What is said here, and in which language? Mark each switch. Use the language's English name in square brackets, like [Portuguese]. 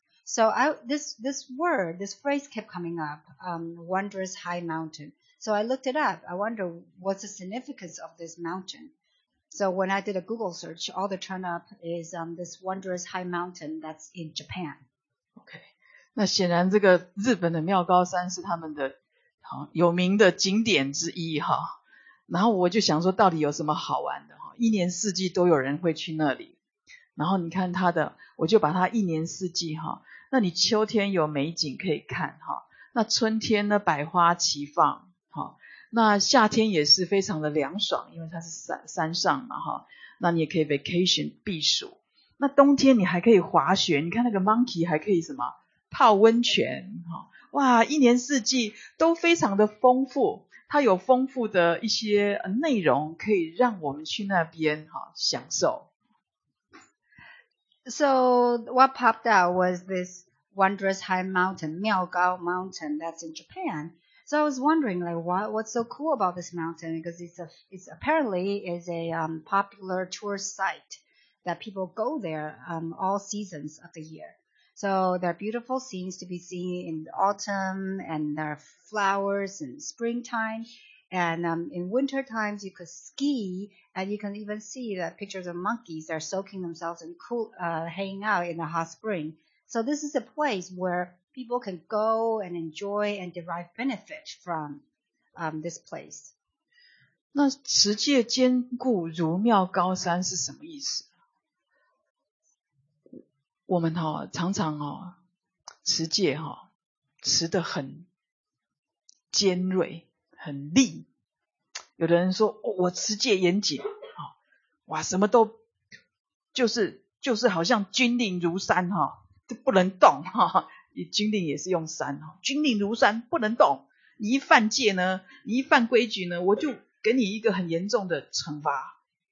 [English] So this phrase kept coming up, wondrous high mountain. So I looked it up. I wonder what's the significance of this mountain. So when I did a Google search, all that turned up is this wondrous high mountain that's in Japan. Okay. [Chinese] 那显然这个日本的妙高山是他们的有名的景点之一哈，然后我就想说到底有什么好玩的，一年四季都有人会去那里，然后你看它的，我就把它一年四季哈，那你秋天有美景可以看哈，那春天呢百花齐放哈，那夏天也是非常的凉爽，因为它是 山上嘛，哈，那你也可以 vacation 避暑。那冬天你还可以滑雪，你看那个 monkey 还可以什么泡温泉，哈，哇，一年四季都非常的丰富，它有丰富的一些内容可以让我们去那边哈享受。 [English] So what popped out was this wondrous high mountain, 妙高 mountain that's in Japan. So I was wondering, like, what's so cool about this mountain? Because it's apparently a popular tourist site that people go there all seasons of the year. So there are beautiful scenes to be seen in autumn, and there are flowers in springtime. And in winter times, you could ski, and you can even see that pictures of monkeys are soaking themselves and hanging out in a hot spring. So this is a place where people can go and enjoy and derive benefit from this place. [Chinese] 那持戒坚固如妙高山是什么意思？我们哦，常常哦，持戒哦，持得很尖锐。很厉，有的人说、哦、我持戒严谨、哦、哇什么都就是好像军令如山、哦、就不能动、哦、军令也是用山、哦、军令如山不能动，你一犯戒呢，你一犯规矩呢，我就给你一个很严重的惩罚、